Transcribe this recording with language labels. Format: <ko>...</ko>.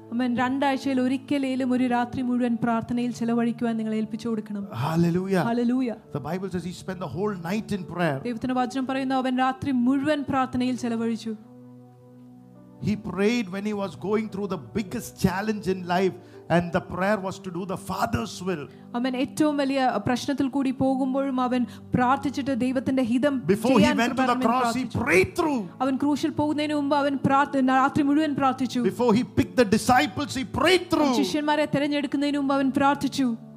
<ml>അമേൻ രണ്ടാഴ്ചയിൽ ഒരിക്കലേലും ഒരു രാത്രി മുഴുവൻ പ്രാർത്ഥനയിൽ ചിലവഴിക്കാൻ നിങ്ങളെ ഏൽപ്പിച്ചു കൊടുക്കണം.</ml> <en>Hallelujah. Hallelujah. The Bible says he spent the whole night in prayer.</en> <ml>ദൈവത്തിന്റെ വചനം പറയുന്നു അവൻ രാത്രി മുഴുവൻ പ്രാർത്ഥനയിൽ ചിലവഴിച്ചു.</ml> <en>He prayed when he was going through the biggest challenge in life and the prayer was to do the Father's will.</en> <ml>അവൻ ഏറ്റവും വലിയ പ്രശ്നത്തിൽ കൂടി പോകുമ്പോഴും അവൻ പ്രാർത്ഥിച്ചിട്ട് ദൈവത്തിന്റെ ഹിതം ചെയ്യാൻ പ്രാർത്ഥിച്ചു. അവൻ ക്രൂശിൽ പോകുന്നതിന് മുമ്പ് അവൻ രാത്രി മുഴുവൻ പ്രാർത്ഥിച്ചു.</ml> <en>Before he picked the disciples he prayed through.</en> <ml>ശിഷ്യന്മാരെ തിരഞ്ഞെടുക്കുന്നതിന് മുമ്പ് അവൻ പ്രാർത്ഥിച്ചു.</ml>